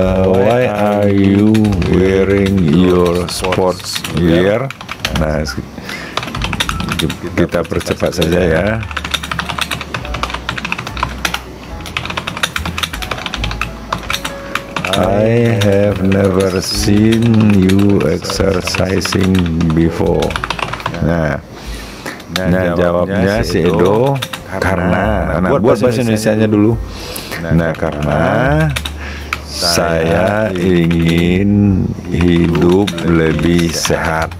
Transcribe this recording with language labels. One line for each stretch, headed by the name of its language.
English: Why are you wearing your sports gear?
Indonesian: Nah, kita percepat saja ya.
English: I have never seen you exercising before.
Indonesian: Nah, jawabnya si Edo, karena buat bahasa Indonesianya dulu. Nah, karena saya ingin hidup lebih sehat.